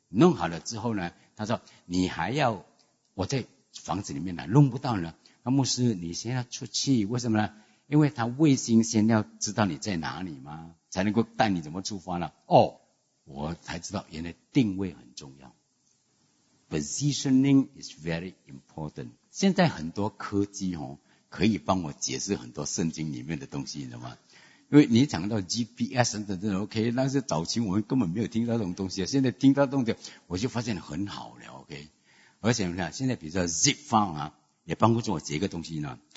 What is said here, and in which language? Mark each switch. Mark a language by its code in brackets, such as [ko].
[zh] 弄好了之后呢，他说你还要我在房子里面呢，弄不到呢。那牧师，你先要出去，为什么呢？因为他卫星先要知道你在哪里嘛，才能够带你怎么出发呢？哦，我才知道原来定位很重要。 [en] Positioning is very important. [zh] 现在很多科技、哦、可以帮我解释很多圣经里面的东西，你知道吗？因为你讲到 GPS 等等 ，OK， 那是早期我们根本没有听到这种东西，现在听到这种东西，我就发现很好了 ，OK。而且你看，现在比如说 Zip File 啊，也帮助我解一个东西呢。